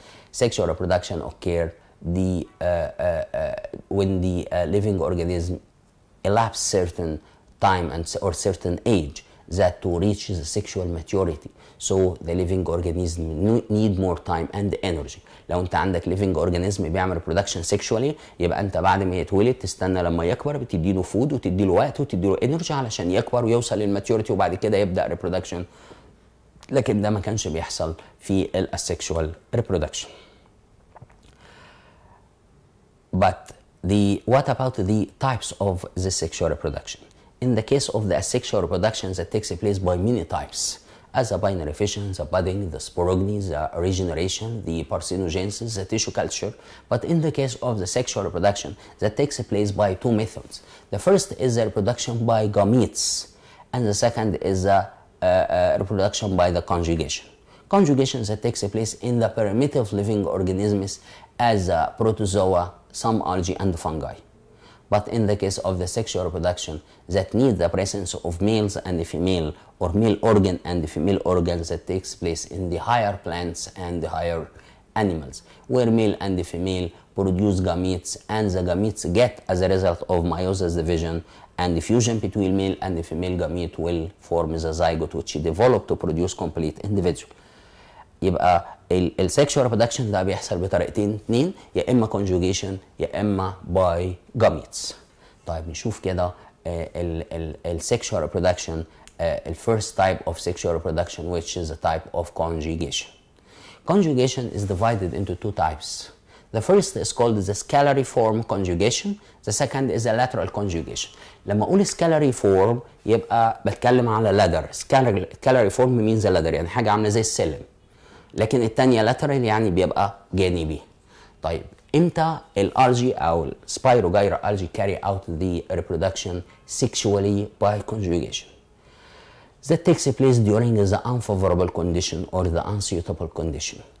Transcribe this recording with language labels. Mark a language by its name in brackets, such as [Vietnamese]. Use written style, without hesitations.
[English] Sexual reproduction occurs when the living organism elapses certain time and or certain age that to reach the sexual maturity. So the living organism need more time and energy. [Arabic] لو انت عندك living organism [English] بيعمل reproduction sexually, [Arabic] يبقى انت بعد ما يتولد تستنى لما يكبر بتدي له [English] food [Arabic] وتدي له وقت وتدي له energy علشان يكبر ويوصل للmaturity وبعد كده يبدأ reproduction. لكن ده ما كانش بيحصل في asexual reproduction. [English] But what about the types of the sexual reproduction? In the case of the asexual reproduction that takes place by many types, as a binary fission, the budding, the sporogeny, the regeneration, the parthenogenesis, the tissue culture. But in the case of the sexual reproduction, that takes place by two methods. The first is the reproduction by gametes, and the second is the reproduction by the conjugation. Conjugation that takes place in the primitive living organisms as a protozoa, some algae, and fungi. But in the case of the sexual reproduction that needs the presence of males and the female or male organ and the female organ that takes place in the higher plants and the higher animals where male and the female produce gametes and the gametes get as a result of meiosis division and the fusion between male and the female gamete will form the zygote which develop to produce complete individual. [Arabic] يبقى السكشوال ريبرودكشن ده بيحصل بطريقتين اتنين يا اما كونجوجيشن يا اما باي جاميتس. طيب نشوف كده [English] السكشوال ريبرودكشن الفيرست تايب اوف سكشوال ريبرودكشن ويتش از ا تايب اوف كونجوجيشن. كونجوجيشن از ديفايدد انتو تو تايبس. The first is called the scalary form conjugation. The second is the lateral conjugation. [Arabic] لما أقول [English] scalary form [Arabic] يبقى بتكلم على ladder. [English] Scalary form means a ladder, [Arabic] يعني حاجة عاملة زي السلم. لكن التانية [English] lateral [Arabic] يعني بيبقى جانبي. طيب امتى الالجي او [English] spirogyra algae carry out the reproduction sexually by conjugation? That takes place during the unfavorable condition or the unsuitable condition.